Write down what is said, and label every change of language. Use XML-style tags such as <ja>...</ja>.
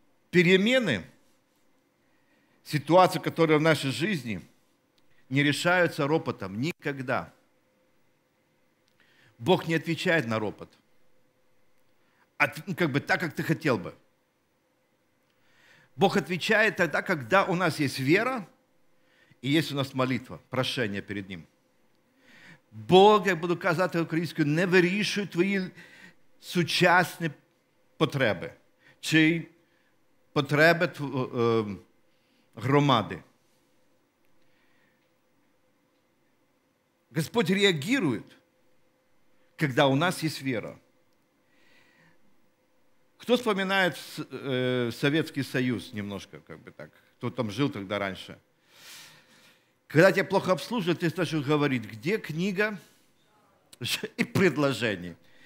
<ru>Перемены, ситуация, которая в нашей жизни, не решаются ропотом никогда. Бог не отвечает на ропот. Как бы так, как ты хотел бы. Бог отвечает тогда, когда у нас есть вера и есть у нас молитва, прошение перед Ним.</ru> <uk>Бог,</uk> <ru>я буду казать по-украински,</ru> <uk>не вирішує твої сучасні потреби чи потреби громади.</uk> <ru>Господь реагирует, когда у нас есть вера. Кто вспоминает Советский Союз немножко, как бы так, кто там жил тогда раньше? Когда тебя плохо обслуживают, ты начинаешь говорить: где книга и предложение?</ru>